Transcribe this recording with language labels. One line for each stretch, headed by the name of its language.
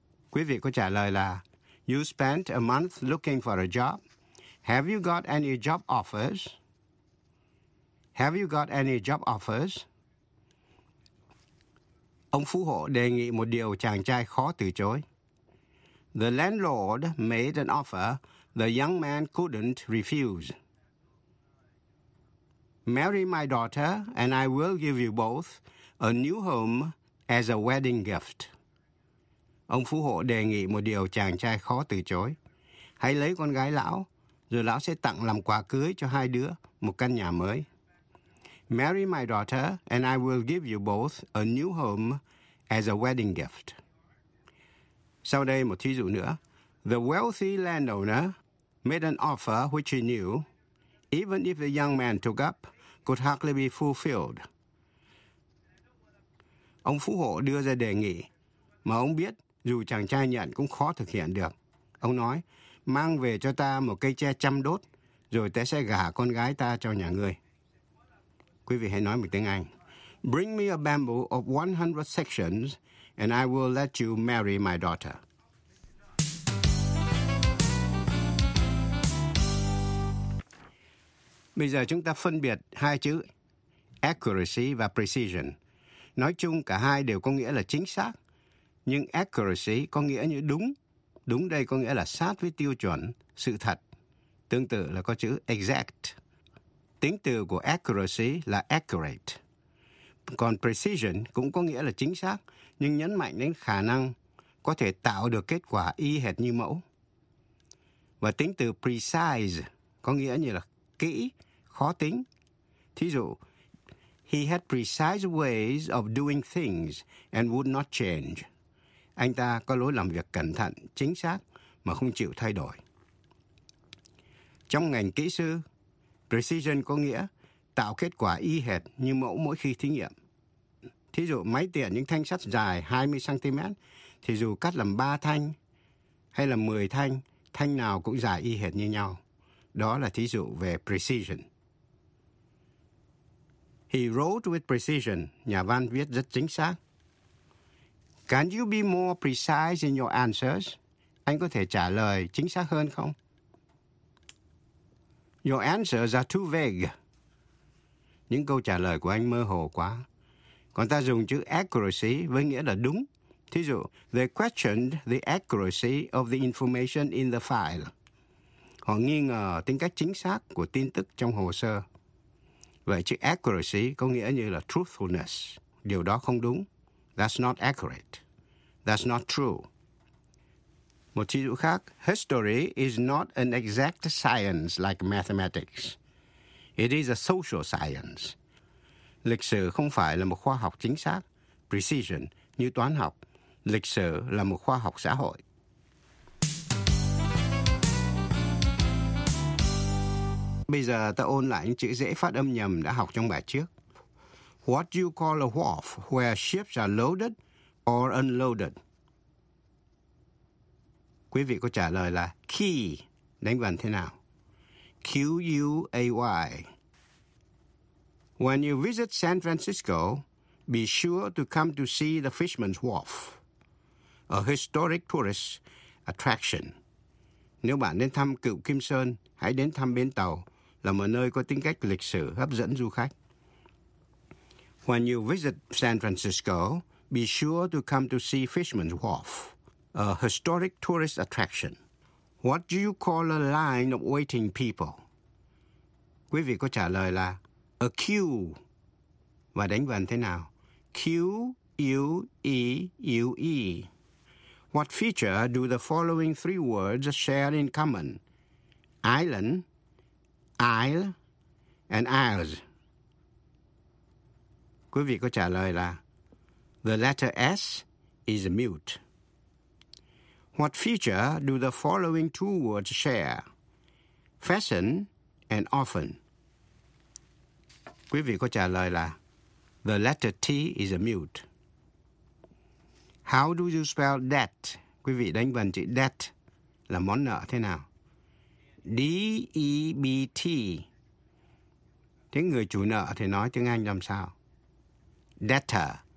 Vietnamese: Quý vị có trả lời là
English: you spent a month looking for a job. Have you got any job offers? Have you got any job offers?
Vietnamese: Ông phú hộ đề nghị một điều chàng trai khó từ chối.
English: The landlord made an offer the young man couldn't refuse. Marry my daughter and I will give you both a new home as a wedding gift.
Vietnamese: Ông phú hộ đề nghị một điều chàng trai khó từ chối. Hãy lấy con gái lão, rồi lão sẽ tặng làm quà cưới cho hai đứa một căn nhà mới.
English: Marry my daughter and I will give you both a new home as a wedding gift.
Vietnamese: Sau đây một thí dụ nữa.
English: The wealthy landowner made an offer which he knew, even if the young man took up, could hardly be fulfilled.
Vietnamese: Ông phú hộ đưa ra đề nghị mà ông biết dù chàng trai nhận cũng khó thực hiện được. Ông nói, mang về cho ta một cây tre trăm đốt, rồi ta sẽ gả con gái ta cho nhà ngươi. Quý vị hãy nói một tiếng Anh.
English: Bring me a bamboo of 100 sections, and I will let you marry my daughter.
Vietnamese: Bây giờ chúng ta phân biệt hai chữ accuracy và precision. Nói chung cả hai đều có nghĩa là chính xác, nhưng accuracy có nghĩa như đúng. Đúng đây có nghĩa là sát với tiêu chuẩn, sự thật. Tương tự là có chữ exact. Tính từ của accuracy là accurate. Còn precision cũng có nghĩa là chính xác, nhưng nhấn mạnh đến khả năng có thể tạo được kết quả y hệt như mẫu. Và tính từ precise có nghĩa như là kỹ, khó tính. Thí dụ,
English: He had precise ways of doing things and would not change.
Vietnamese: Anh ta có lối làm việc cẩn thận, chính xác mà không chịu thay đổi. Trong ngành kỹ sư, precision có nghĩa tạo kết quả y hệt như mẫu mỗi khi thí nghiệm. Thí dụ máy tiện những thanh sắt dài 20cm thì dù cắt làm 3 thanh hay là 10 thanh, thanh nào cũng dài y hệt như nhau. Đó là thí dụ về precision.
English: He wrote with precision.
Vietnamese: Nhà văn viết rất chính xác.
English: Can you be more precise in your answers?
Vietnamese: Anh có thể trả lời chính xác hơn không?
English: Your answers are too vague.
Vietnamese: Những câu trả lời của anh mơ hồ quá. Còn ta dùng chữ accuracy với nghĩa là đúng. Thí dụ,
English: they questioned the accuracy of the information in the file.
Vietnamese: Họ nghi ngờ tính cách chính xác của tin tức trong hồ sơ. Vậy chữ accuracy có nghĩa như là truthfulness. Điều đó không đúng.
English: That's not accurate. That's not true.
Vietnamese: Một thí dụ khác,
English: history is not an exact science like mathematics. It is a social science.
Vietnamese: Lịch sử không phải là một khoa học chính xác, precision, như toán học. Lịch sử là một khoa học xã hội. Bây giờ ta ôn lại những chữ dễ phát âm nhầm đã học trong bài trước.
English: What you call a wharf where ships are loaded or unloaded?
Vietnamese: Quý vị có trả lời là quay, đánh vần thế nào?
English: Quay. When you visit San Francisco, be sure to come to see the Fisherman's Wharf, a historic tourist attraction.
Vietnamese: Nếu bạn đến thăm cựu Kim Sơn, hãy đến thăm bến tàu, là một nơi có tính cách lịch sử hấp dẫn du khách.
English: When you visit San Francisco, be sure to come to see Fisherman's Wharf, a historic tourist attraction. What do you call a line of waiting people?
Vietnamese: Quý vị có trả lời là a queue. Và đánh vần thế nào? Q-U-E-U-E.
English: What feature do the following three words share in common? Island, aisle, and aisles.
Vietnamese: Quý vị có trả lời là
English: the letter S is mute. What feature do the following two words share? Fashion and often.
Vietnamese: Quý vị có trả lời là
English: the letter T is mute. How do you spell debt?
Vietnamese: Quý vị đánh vần chữ debt là món nợ thế nào? D-E-B-T. Tiếng người chủ nợ thì nói tiếng Anh làm sao? Debtor.